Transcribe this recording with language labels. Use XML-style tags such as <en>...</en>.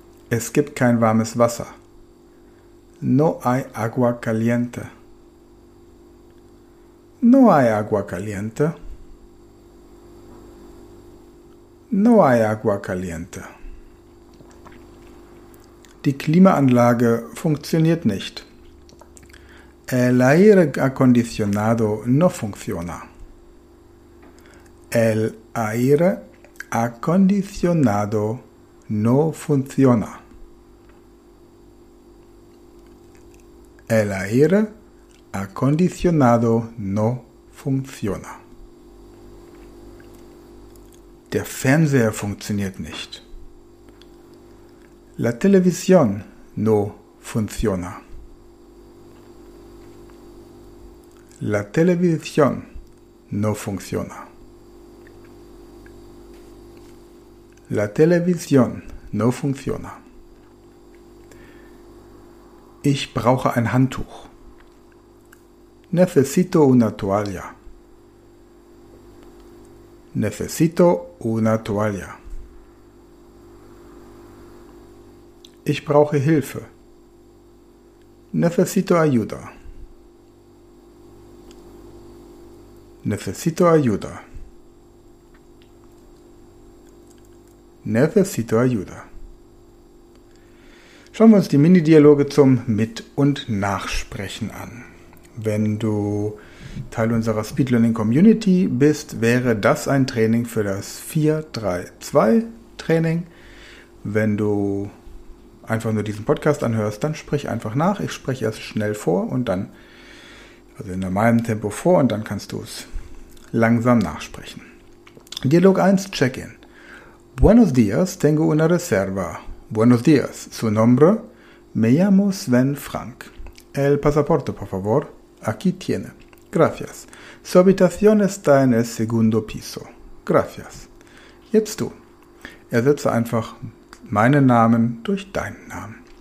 <de>Es gibt kein warmes Wasser.</de> <es>No hay agua caliente. No hay agua caliente. No hay agua caliente.</es> <de>Die Klimaanlage funktioniert nicht.</de> <es>El aire acondicionado no funciona. El aire acondicionado no funciona. El aire acondicionado no funciona.</es> <de>Der Fernseher funktioniert nicht.</de> <es>La televisión no funciona. La televisión no funciona. La televisión no funciona.</es> <de>Ich brauche ein Handtuch.</de> <es>Necesito una toalla. Necesito una toalla.</es> <de>Ich brauche Hilfe.</de> <es>Necesito ayuda. Necesito ayuda. Necesito ayuda.</es> <de>Schauen wir uns die Mini-Dialoge zum Mit- und Nachsprechen an. Wenn du Teil unserer Speed Learning Community bist, wäre das ein Training für das 4-3-2 Training. Wenn du einfach nur diesen Podcast anhörst, dann sprich einfach nach. Ich spreche erst schnell vor und dann, also in normalem Tempo vor, und dann kannst du es langsam nachsprechen. Dialog 1, Check-in.</de> <es>Buenos días, tengo una reserva. Buenos días, su nombre? Me llamo Sven Frank. El pasaporte, por favor. Aquí tiene. Gracias. Su habitación está en el segundo piso.</es> <de>Gracias. Jetzt du. Ersetze einfach meinen Namen durch deinen Namen.</de>